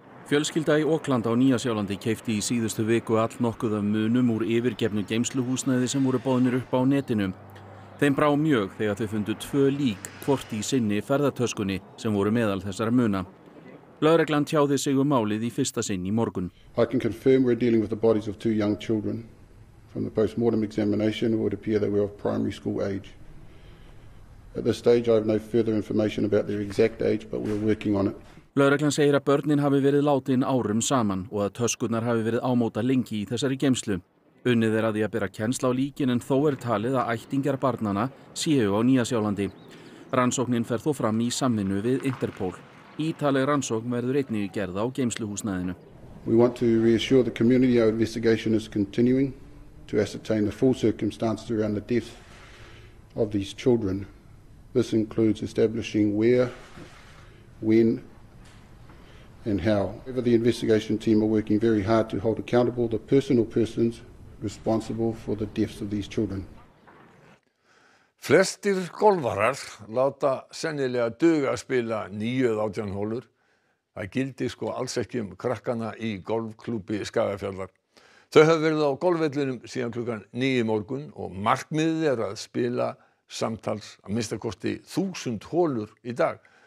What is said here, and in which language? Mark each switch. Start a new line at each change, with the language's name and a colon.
Icelandic: Fjölskylda í Auckland á Nýja Sjálandi keypti í síðustu viku allnokkuð af munum úr yfirgefnu geymsluhúsnæði sem voru boðnir upp á netinu. Þeim brá mjög þegar þau fundu tvö lík hvort í sinni ferðatöskunni sem voru meðal þessara muna. Lögreglan tjáði sig málið í fyrsta sinn í morgun.
English: I can confirm we're dealing with the bodies of two young children. From the post-mortem examination it would appear that we're of primary school age. At this stage I have no further information about their exact age but we're working on it.
Icelandic: Lögreglan segir að börnin hafi verið látin árum saman og að töskurnar hafi verið ámóta lengi í þessari geymslu. Unnið að því að bera kennsla á líkin en þó talið að ættingjar barnanna séu á Nýja Sjálandi. Rannsóknin fer þó fram í samvinnu við Interpol. Ítaleg rannsókn verður einnig gerð á geymsluhúsnæðinu.
English: We want to reassure the community our investigation is continuing to ascertain the full circumstances around the death of these children. This includes establishing where, when, and how. However, the investigation team are working very hard to hold accountable the personal persons responsible for the deaths of these children.
Icelandic: Flestir golfarar láta sennilega duga að spila 9-18 holur. Það gildi sko alls ekki krakkana í golfklúbbi Skagafjarðar. Þau hafa verið á golfvellinum síðan klukkan 9 morgun og markmiðið að spila samtals að minnsta kosti 1000 holur í dag.